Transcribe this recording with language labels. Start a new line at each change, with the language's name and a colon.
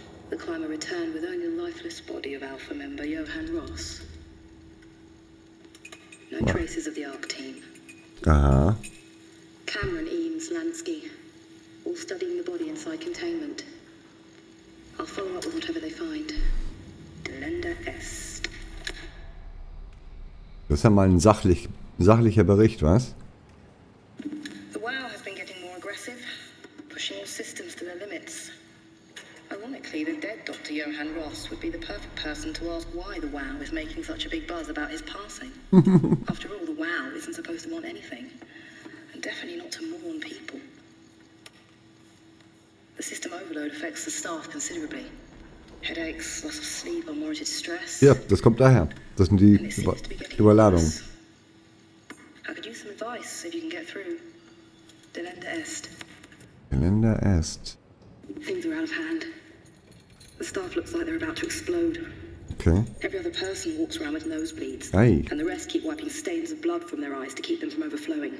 English: The climber returned with only the lifeless body of Alpha member Johann Ross. No traces of the ARC team. Aha. Cameron Eames Lansky. All studying the body inside containment. I'll follow up with whatever they find.
Latin: Delenda Est.
German: Das ist ja mal ein sachlicher Bericht, was?
English: The WoW has been getting more aggressive, pushing all systems to their limits. Ironically, the dead Dr. Johann Ross would be the perfect person to ask why the WoW is making such a big buzz about his passing. After all, the WoW isn't supposed to want anything, and definitely not to mourn people. The system overload affects the staff considerably. Headaches, loss of sleep, unwarranted stress.
German: Ja, das kommt daher. Das sind die Überladungen.
English: I could use some advice if you can get through.
Latin: Delenda Est. Delenda Est.
English: Things are out of hand. The staff looks like they're about to explode. Okay. Every other person walks around with nosebleeds. Aye. And the rest keep wiping stains of blood from their eyes to keep them from overflowing.